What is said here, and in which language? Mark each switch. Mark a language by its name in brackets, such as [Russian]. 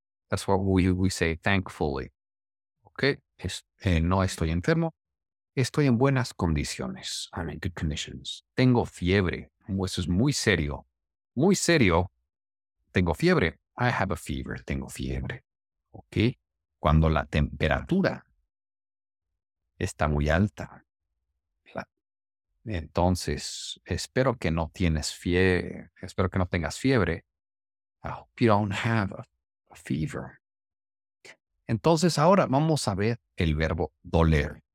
[English] That's what we say thankfully. [Spanish] Okay. No estoy enfermo. Estoy en buenas condiciones. [English] I'm in good conditions. [Spanish] Tengo fiebre. Eso es muy serio. Muy serio. Tengo fiebre. [English] I have a fever. [Spanish] Tengo fiebre. Ok. Cuando la temperatura está muy alta. Entonces, espero que no tienes fiebre. Espero que no tengas fiebre. [English] I hope you don't have a fever. [Spanish] Entonces, ahora vamos a ver el verbo doler.